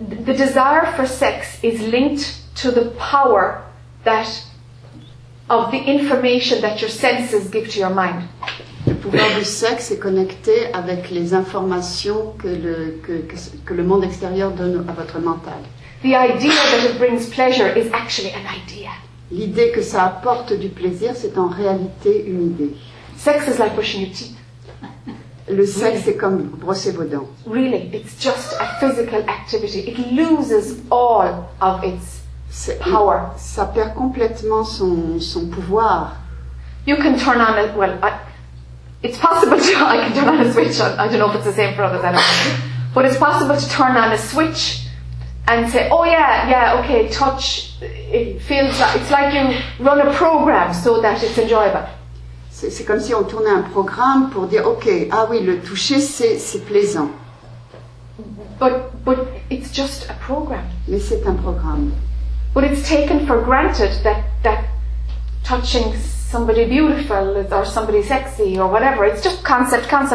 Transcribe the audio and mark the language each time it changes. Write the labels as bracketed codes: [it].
[en] The desire for sex is linked to the power that of the information that your senses give to your mind. [fr] Le pouvoir du sexe est connecté avec les informations que le monde extérieur donne à votre mental. [en] The idea that it brings pleasure is actually an idea. [fr] L'idée que ça apporte du plaisir, c'est en réalité une idée. [en] Sex is like brushing your teeth. [fr] Le sexe est comme brosser vos dents. [en] Really, it's just a physical activity. It loses all of its power. [fr] Ça perd complètement son pouvoir. [en] You can turn on it. Well, it's possible to. I can turn on a switch. I don't know if it's the same for others. I don't know. But it's possible to turn on a switch and say, oh yeah, okay, touch. It feels like it's like you run a program so that it's enjoyable. [fr] C'est comme si on tournait un programme pour dire, ok, ah oui, le toucher, c'est plaisant. [en] But it's just a program. [fr] Mais c'est un programme. [en] But it's taken for granted that touching somebody beautiful or somebody sexy or whatever, it's just concept.